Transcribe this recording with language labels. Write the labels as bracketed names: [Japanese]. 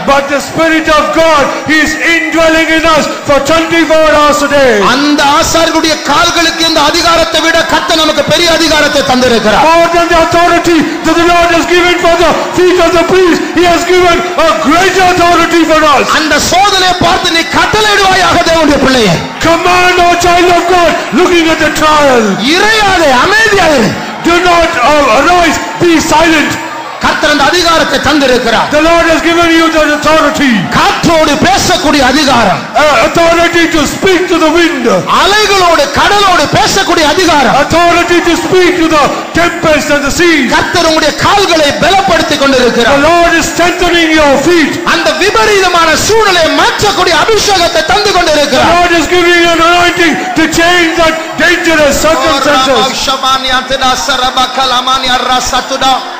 [English] But the Spirit of God, he is indwelling in us for 24 hours a day. [Tamil] அந்த ஆசாரியுடைய கால்களுக்கு இந்த அதிகாரத்தை விட கர்த்தர் நமக்கு பெரிய அதிகாரத்தை தந்திருக்கிறார். [English] More than the authority that the Lord has given for the feet of the priest, he has given a greater authority for us. [Tamil] அந்த சோதனை பார்த்து நீ கட்டளையிடுவாயாக தேவனுடைய பிள்ளையே. [English] Come on, O child of God, looking at the trial. [Tamil] இரையாதே, அமைதியாயிரு. [English] Do not arise, be silent. [Tamil] கர்த்தர் அந்த அதிகாரத்தை தந்திருக்கிறார். [English] The Lord has given you the authority. [Tamil] காற்றோடு பேசக்கூடிய அதிகாரம். [English] Authority to speak to the wind. [Tamil] அலைகளோடு கடலோடு பேசக்கூடிய அதிகாரம். [English] Authority to speak to the tempest and the sea. [Tamil] கர்த்தர் உங்களுடைய கால்களை பலப்படுத்திக் கொண்டிருக்கிறார். [English] The Lord is strengthening your feet. [Tamil] அந்த விபரீதமான சூழ்நிலையை மாற்றக்கூடிய அபிஷேகத்தை தந்து கொண்டிருக்கிறார். [English] The Lord is giving you an anointing to change that dangerous circumstances. ஓ ராமாய் சமானியா சரப கலமானிய ரசதுடா.